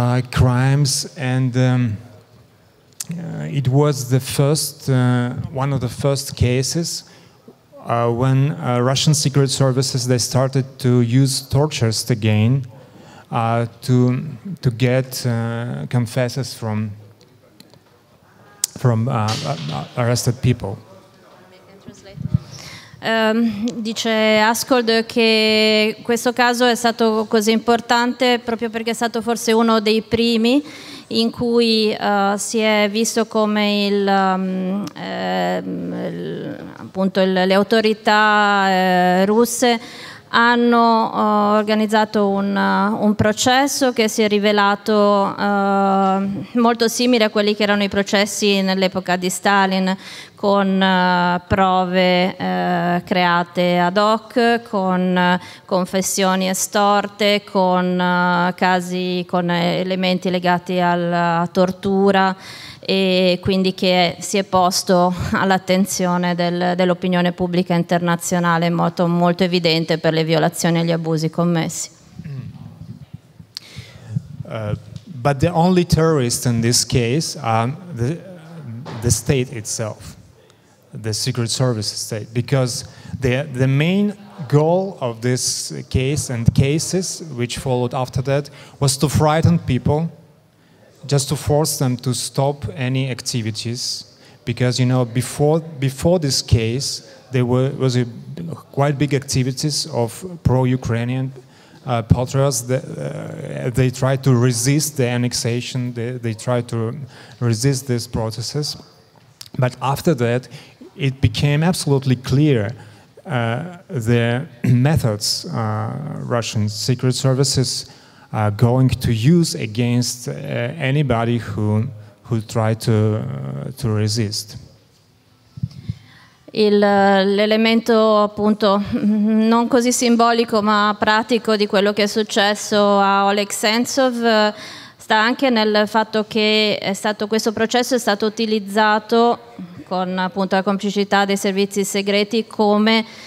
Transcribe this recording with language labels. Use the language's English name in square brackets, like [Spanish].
[English] crimes, and it was the first, one of the first cases when Russian secret services, they started to use tortures again to get confesses from arrested people. [Italian] Dice Ascold che questo caso è stato così importante proprio perché è stato forse uno dei primi in cui si è visto come le autorità russe hanno organizzato un processo che si è rivelato molto simile a quelli che erano i processi nell'epoca di Stalin, con prove create ad hoc, con confessioni estorte, con casi, con elementi legati alla tortura, e quindi che si è posto all'attenzione dell'opinione pubblica internazionale in modo molto evidente per le violazioni e gli abusi commessi. [English] But the only terrorists in this case are the state itself, the secret service state, because the main goal of this case and cases which followed after that was to frighten people, just to force them to stop any activities, because you know before this case there was a quite big activities of pro-Ukrainian patriots, they tried to resist the annexation, they tried to resist these processes. But after that, it became absolutely clear the methods Russian secret services are going to use against anybody who tried to resist. [Italian] L'elemento appunto non così simbolico ma pratico di quello che è successo a Oleg Sentsov sta anche nel fatto che questo processo è stato utilizzato con appunto la complicità dei servizi segreti come